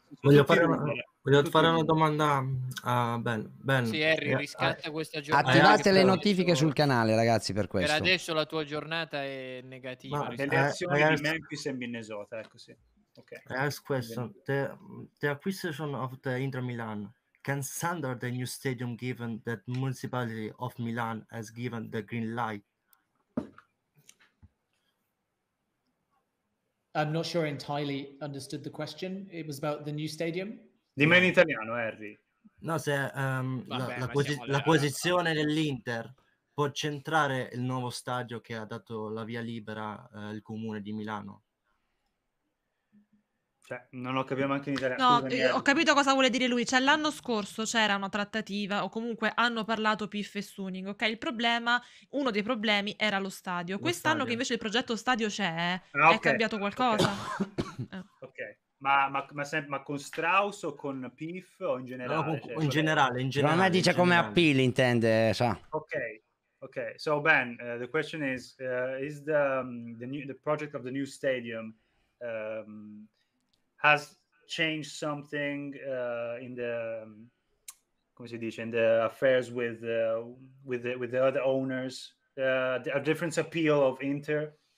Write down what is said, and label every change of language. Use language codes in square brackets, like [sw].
[it] voglio fare una domanda a Ben. Sì, Harry, riscatta questa giornata. Attivate le notifiche sul canale, ragazzi, per questo. Per adesso la tua giornata è negativa. Ma delle azioni, ragazzi, di Memphis e Minnesota, ecco, sì. Okay. [en] Ask question. The acquisition of the Inter Milan. Can Sander the new stadium given that municipality of Milan has given the green light? I'm not sure I entirely understood the question. It was about the new stadium. [it] Dimmi in italiano, Harry. No, se la posizione dell'Inter può centrare il nuovo stadio che ha dato la via libera il comune di Milano. Cioè, non lo capiamo anche in italiano. No, ho capito cosa vuole dire lui. Cioè, l'anno scorso c'era una trattativa, o comunque hanno parlato PIF e Suning, ok? Il problema, uno dei problemi era lo stadio. Lo quest'anno stadio. Che invece il progetto stadio c'è, okay. È cambiato qualcosa. Okay. Ma con Strauss o con PIF o in generale? No, cioè, in generale. Ma me dice come appeal, intende, sa. [en] Ok, so Ben, the question is the project of the new stadium has changed something in the, [it] come si dice, [en] in the affairs with the other owners, a different appeal of Inter?